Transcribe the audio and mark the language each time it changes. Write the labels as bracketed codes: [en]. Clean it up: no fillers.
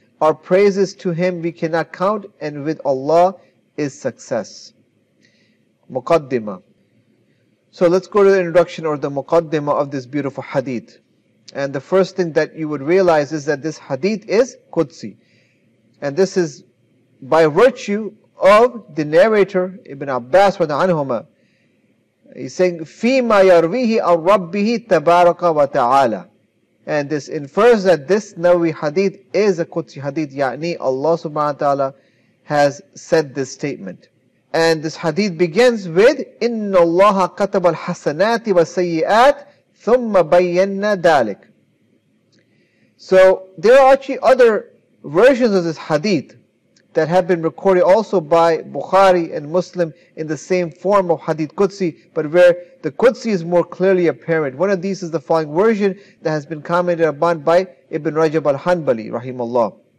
[en] Our praises to Him we cannot count, and with Allah is success. Muqaddimah. So let's go to the introduction or the Muqaddimah of this beautiful hadith. And the first thing that you would realize is that this hadith is Qudsi. And this is by virtue of the narrator, Ibn Abbas radhiyallahu anhu. He's saying, [ar] فِيمَا يَرْوِيهِ عَنْ رَبِّهِ تَبَارَكَ وَتَعَالَى. [en] And this infers that this Nawawi hadith is a Qudsi hadith, yani Allah subhanahu wa ta'ala has said this statement. And this hadith begins with, [ar] إِنَّ اللَّهَ كَتَبَ الْحَسَنَاتِ وَالسَّيِّئَاتِ ثُمَّ بَيَّنَّ ذَلِكَ. [en] So there are actually other versions of this hadith, that have been recorded also by Bukhari and Muslim in the same form of Hadith Qudsi, but where the Qudsi is more clearly apparent. One of these is the following version that has been commented upon by Ibn Rajab al-Hanbali, rahimahullah.